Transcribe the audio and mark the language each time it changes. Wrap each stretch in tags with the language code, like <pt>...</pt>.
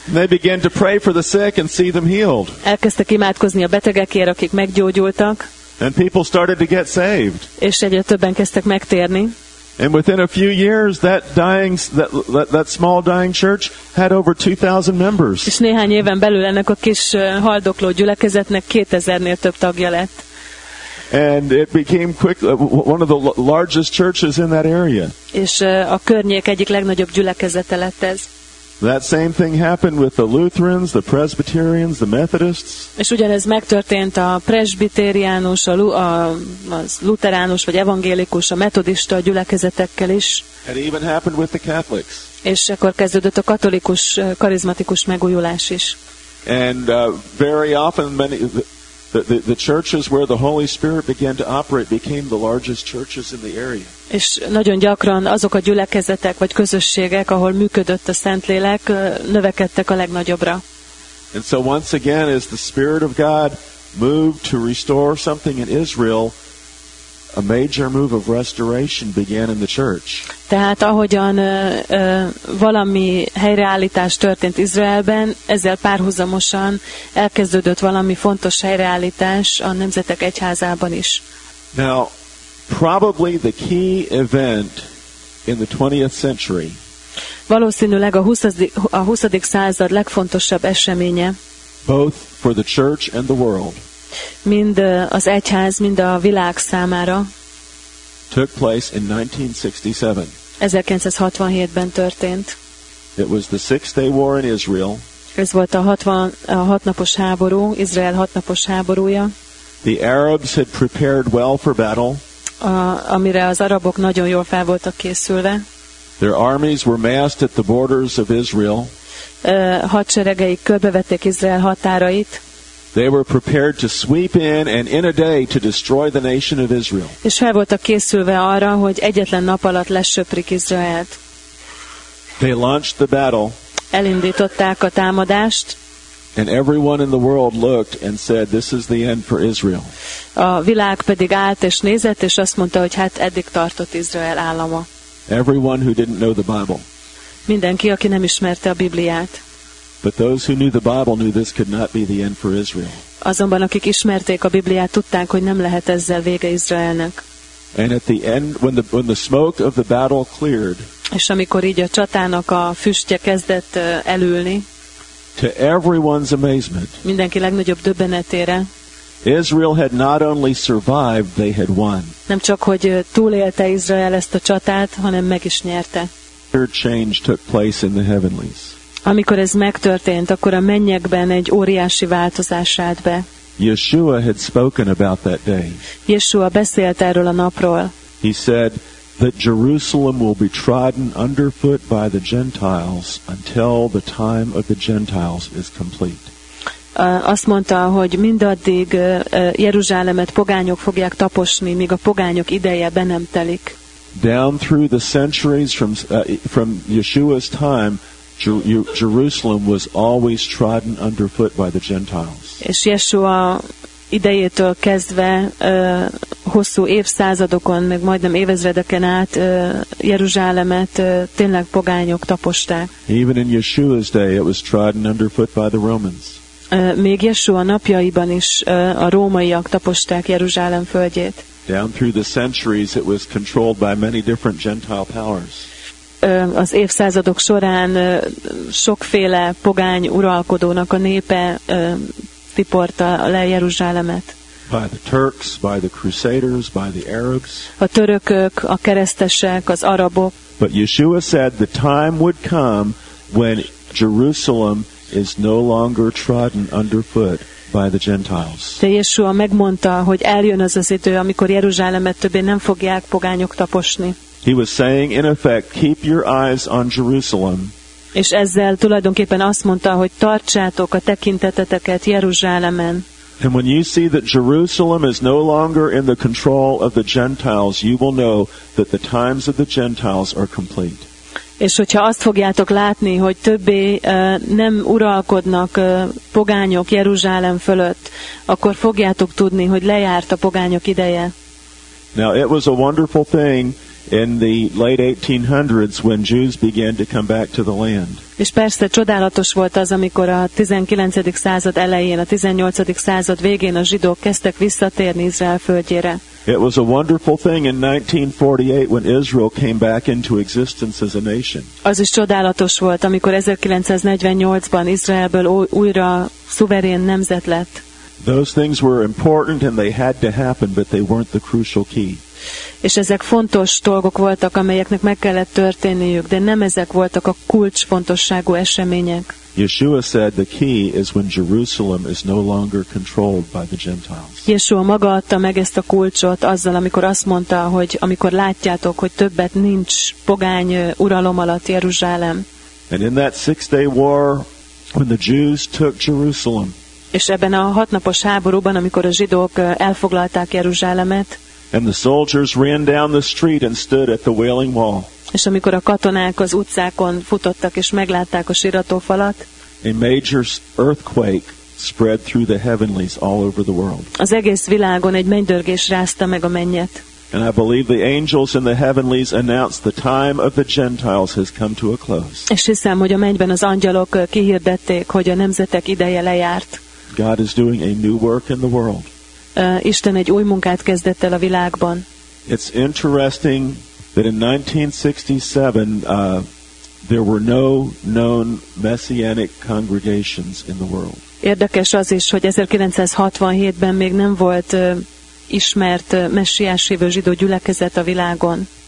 <en>They began to pray for the sick and see them healed.</en> <hu>Elkezdtek imádkozni a betegekért, akik meggyógyultak.</hu> <en>And people started to get saved.</en> <hu>És egyre többen kezdtek megtérni.</hu> <en>And within a few years, that small dying church had over 2,000 members.</en> <hu>És néhány éven belül ennek a kis haldokló gyülekezetnek 2,000-nél több tagja lett.</hu> <en>And it became one of the largest churches in that area.</en> <hu>És a környék egyik legnagyobb gyülekezete lett ez.</hu> <en>That same thing happened with the Lutherans, the Presbyterians, the Methodists.</en> <hu>És ugyanez megtörtént a presbiteriánus, az luteránus vagy evangélikus, a metodista gyülekezetekkel is.</hu> <en>It even happened with the Catholics.</en> <hu>És akkor kezdődött a katolikus karizmatikus megújulás is.</hu> <en>And very often many the churches where the Holy Spirit began to operate became the largest churches in the area.</en> <hu>És nagyon gyakran azok a gyülekezetek vagy közösségek, ahol működött a Szentlélek, növekedtek a legnagyobbra.</hu> <en>And so once again, as the Spirit of God moved to restore something in Israel, a major move of restoration began in the church.</en> <hu>Tehát ahogyan valami helyreállítás történt Izraelben, ezzel párhuzamosan elkezdődött valami fontos helyreállítás a nemzetek egyházában is.</hu> <en>Now, probably the key event in the 20th century.</en> <hu>Valószínűleg a 20. század legfontosabb eseménye.</hu> <en>Both for the church and the world.</en> <hu>Mind az egyház, mind a világ számára.</hu> <en>Took place in 1967.</en> <hu>1967-ben történt.</hu> <en>It was the Six-Day War in Israel.</en> <hu>Ez volt a hatnapos háború, Izrael hatnapos háborúja.</hu> <en>The Arabs had prepared well for battle.</en> <hu>Amire az arabok nagyon jól fel voltak készülve.</hu> <en>Their armies were massed at the borders of Israel.</en> <hu>Hadseregeik körbevették Izrael határait.</hu> <en>They were prepared to sweep in and in a day to destroy the nation of Israel.</en> <hu>És fel voltak készülve arra, hogy egyetlen nap alatt lesöprik Izraelt.</hu> <en>They launched the battle.</en> <hu>Elindították a támadást.</hu> <en>And everyone in the world looked and said, "This is the end for Israel."</en> <hu>A világ pedig állt és nézett, és azt mondta, hogy hát eddig tartott Izrael állama.</hu> <en>Everyone who didn't know the Bible.</en> <hu>Mindenki, aki nem ismerte a Bibliát.</hu> <en>But those who knew the Bible knew this could not be the end for Israel.</en> <hu>Azonban akik ismerték a Bibliát, tudták, hogy nem lehet ezzel vége Izraelnek.</hu> <en>And at the end, when the smoke of the battle cleared.</en> <hu>És amikor így a csatának a füstje kezdett elülni.</hu> <en>To everyone's amazement.</en> <hu>Mindenki legnagyobb döbbenetére.</hu> <en>Israel had not only survived, they had won.</en> <hu>Nem csak hogy túlélte Izrael ezt a csatát, hanem meg is nyerte.</hu> <en>A change took place in the heavenlies.</en> <hu>Amikor ez megtörtént, akkor a mennyekben egy óriási változás állt be.</hu> <en>Yeshua had spoken about that day.</en> <hu>Yeshua beszélt erről a napról.</hu> <en>He said that Jerusalem will be trodden underfoot by the Gentiles until the time of the Gentiles is complete.</en> <hu>Azt mondta, hogy mindaddig Jeruzsálemet pogányok fogják taposni, míg a pogányok ideje be nem telik.</hu> <en>Down through the centuries from Yeshua's time, Jerusalem was always trodden underfoot by the Gentiles.</en> <hu>És Yeshua idejétől kezdve hosszú évszázadokon, meg majdnem évezredeken át Jeruzsálemet tényleg pogányok taposták.</hu> <en>Even in Yeshua's day, it was trodden underfoot by the Romans.</en> <hu>Még Yeshua napjaiban is a rómaiak taposták Jeruzsálem földjét.</hu> <en>Down through the centuries, it was controlled by many different Gentile powers.</en> <hu>Az évszázadok során sokféle pogány uralkodónak a népe tiporta le Jeruzsálemet.</hu> <en>By the Turks, by the Crusaders, by the Arabs.</en> <hu>A törökök, a keresztesek, az arabok.</hu> <en>But Yeshua said the time would come when Jerusalem is no longer trodden underfoot by the Gentiles.</en> <hu>De Yeshua megmondta, hogy eljön az az idő, amikor Jeruzsálemet többé nem fogják pogányok taposni.</hu> <en>He was saying, in effect, keep your eyes on Jerusalem.</en> <hu>És ezzel tulajdonképpen azt mondta, hogy tartsátok a tekinteteteket Jeruzsálemen.</hu> <en>And when you see that Jerusalem is no longer in the control of the Gentiles, you will know that the times of the Gentiles are complete.</en> <hu>És hogyha azt fogjátok látni, hogy többé nem uralkodnak pogányok Jeruzsálem fölött, akkor fogjátok tudni, hogy lejárt a pogányok ideje.</hu> <en>Now it was a wonderful thing in the late 1800s when Jews began to come back to the land.</en> <hu>És persze csodálatos volt az, amikor a 19. század elején, a 18. század végén a zsidók kezdtek visszatérni Izrael földjére.</hu> <en>It was a wonderful thing in 1948 when Israel came back into existence as a nation.</en> <hu>Az is csodálatos volt, amikor 1948-ban Izraelből újra szuverén nemzet lett.</hu> <en>Those things were important and they had to happen, but they weren't the crucial key.</en> <hu>És ezek fontos dolgok voltak, amelyeknek meg kellett történniük, de nem ezek voltak a kulcsfontosságú események.</hu> <en>Yeshua said the key is when Jerusalem is no longer controlled by the Gentiles.</en> <hu>Yeshua maga adta meg ezt a kulcsot azzal, amikor azt mondta, hogy amikor látjátok, hogy többet nincs pogány uralom alatt Jeruzsálem.</hu> <en>And in that six-day war, when the Jews took Jerusalem.</en> <hu>És ebben a hatnapos háborúban, amikor a zsidók elfoglalták Jeruzsálemet.</hu> <en>And the soldiers ran down the street and stood at the Wailing Wall.</en> <hu>És amikor a katonák az utcákon futottak és meglátták a siratófalat.</hu> <en>A major earthquake spread through the heavenlies all over the world.</en> <hu>Az egész világon egy mennydörgés rázta meg a mennyet.</hu> <en>And I believe the angels in the heavenlies announce the time of the Gentiles has come to a close.</en> <hu>És hiszem, hogy a mennyben az angyalok kihirdették, hogy a nemzetek ideje lejárt.</hu> <en>God is doing a new work in the world.</en> <hu>Isten egy új munkát kezdett el a világban.</hu> <en>It's interesting that in 1967 there were no known messianic congregations in the world.</en> <hu>Érdekes az is, hogy 1967-ben még nem volt ismert messiás hívő zsidó gyülekezet a világon.</hu>